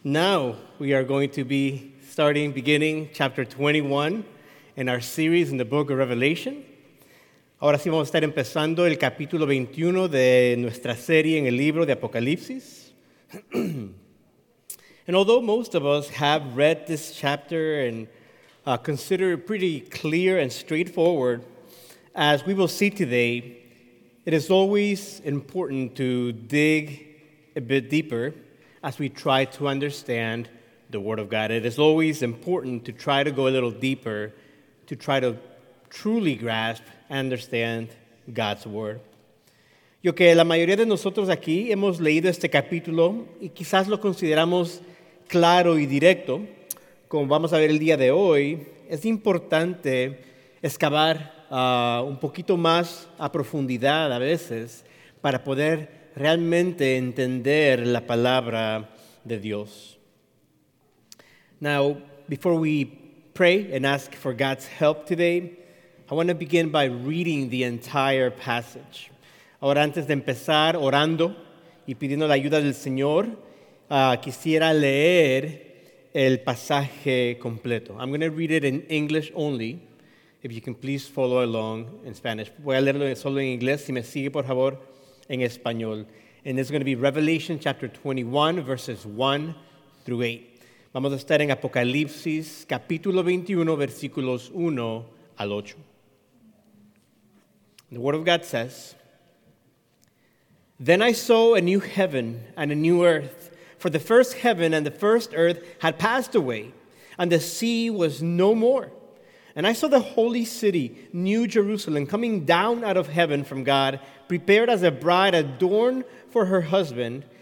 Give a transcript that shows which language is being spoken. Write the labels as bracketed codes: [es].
[en] Now we are going to be beginning chapter 21 in our series in the book of Revelation. [es] Ahora sí vamos a estar empezando el capítulo 21 de nuestra serie en el libro de Apocalipsis. [en] And although most of us have read this chapter and consider it pretty clear and straightforward, as we will see today, it is always important to dig a bit deeper as we try to understand the Word of God. It is always important to try to go a little deeper, to try to truly grasp and understand God's Word. [es] Yo que la mayoría de nosotros aquí hemos leído este capítulo y quizás lo consideramos claro y directo, como vamos a ver el día de hoy, es importante excavar un poquito más a profundidad a veces para poder realmente entender la palabra de Dios. [en] Now, before we pray and ask for God's help today, I want to begin by reading the entire passage. [es] Ahora, antes de empezar orando y pidiendo la ayuda del Señor, quisiera leer el pasaje completo. [en] I'm going to read it in English only. If you can please follow along in Spanish. [es] Voy a leerlo solo en inglés. Si me sigue, por favor, en español. [en] And it's going to be Revelation chapter 21, verses 1 through 8. [es] Vamos a estar en Apocalipsis, capítulo 21, versículos 1 al 8. [en] The Word of God says, "Then I saw a new heaven and a new earth, for the first heaven and the first earth had passed away, and the sea was no more. And I saw the holy city, New Jerusalem, coming down out of heaven from God, prepared as a bride adorned for her husband.